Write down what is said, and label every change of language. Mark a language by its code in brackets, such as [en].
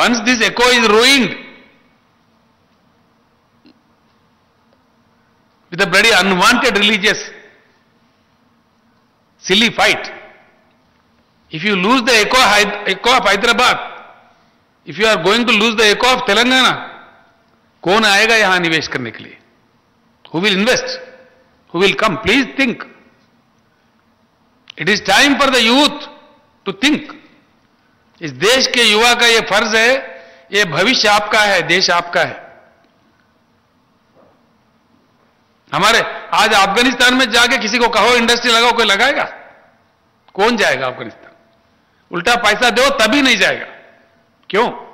[en] once this echo is ruined with a very unwanted religious silly fight, if you lose the echo, echo of Hyderabad, If you are going to lose the echo of Telangana, [hi] कौन आएगा यहां निवेश करने के लिए? [en] Who will invest? Who will come? Please think. It is time for the youth to think. [hi] इस देश के युवा का यह फर्ज है, यह भविष्य आपका है, देश आपका है। हमारे आज अफगानिस्तान में जाके किसी को कहो इंडस्ट्री लगाओ, कोई लगाएगा? कौन जाएगा अफगानिस्तान? उल्टा पैसा दो तभी नहीं जाएगा। क्यों?